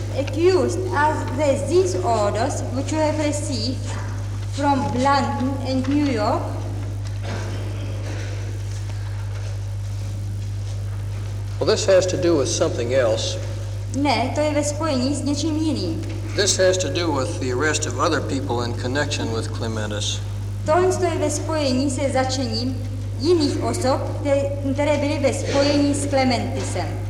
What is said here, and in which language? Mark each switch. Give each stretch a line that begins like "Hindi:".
English: Accused as these orders which you have received from London and New York. Well, this has to do with something else.
Czech: Ne, to je ve spojení s něčím jiným.
English: This has to do with the arrest of other people in connection with Clematis.
Czech: Tohle to je ve spojení se začením jiných osob, které byly ve spojení s Clematisem.